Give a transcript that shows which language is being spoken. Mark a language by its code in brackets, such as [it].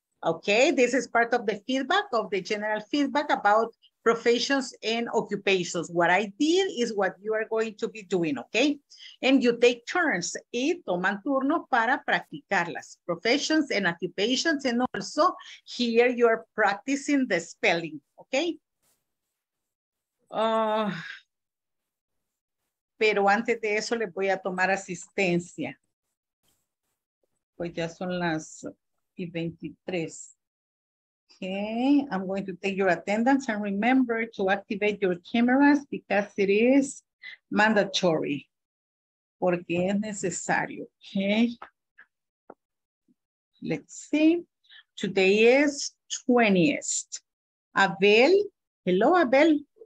[en] Okay, this is part of the feedback, of the general feedback about professions and occupations. What I did is what you are going to be doing, okay? And you take turns, [es] y toman turnos para practicarlas. [en] Professions and occupations, and also here you are practicing the spelling, okay? [es] Pero antes de eso les voy a tomar asistencia. Pues ya son las 23. [en] Okay, I'm going to take your attendance and remember to activate your cameras because it is mandatory. [es] Porque es necesario. Okay. [en] Let's see. Today is 20th. Abel. Hello, Abel.